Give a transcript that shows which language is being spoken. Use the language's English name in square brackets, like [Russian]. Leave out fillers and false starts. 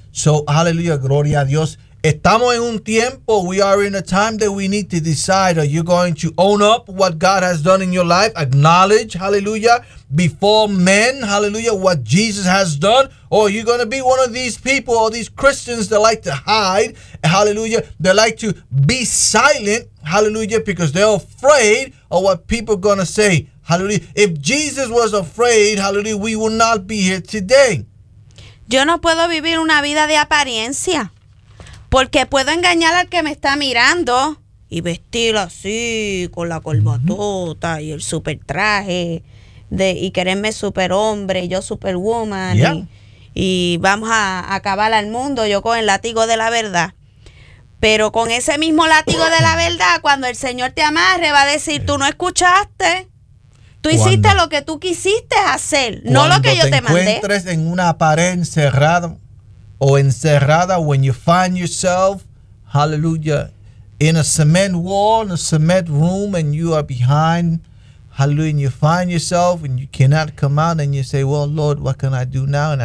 [English] So, hallelujah, [Spanish] gloria a Dios. Estamos en un tiempo, [English] we are in a time that we need to decide, are you going to own up what God has done in your life, acknowledge, hallelujah, before men, hallelujah, what Jesus has done, or are you going to be one of these people, or these Christians that like to hide, hallelujah, they like to be silent, hallelujah, because they're afraid of what people are going to say, hallelujah. If Jesus was afraid, hallelujah, we would not be here today. [Spanish] Yo no puedo vivir una vida de apariencia. Porque puedo engañar al que me está mirando y vestir así, con la corbatota y el super traje de, y quererme superhombre, yo superwoman. [English] Yeah. [Spanish] Y vamos a acabar al mundo yo con el látigo de la verdad. Pero con ese mismo látigo de la verdad, cuando el Señor te amarre, va a decir, tú no escuchaste. Tú hiciste lo que tú quisiste hacer, no lo que yo te mandé. Cuando te encuentres en una pared encerrada, o encerrada, [English] when you find yourself, hallelujah, in a cement wall, in a cement room, and you are behind, hallelujah, and you find yourself, and you cannot come out, and you say, well, Lord, what can I do now?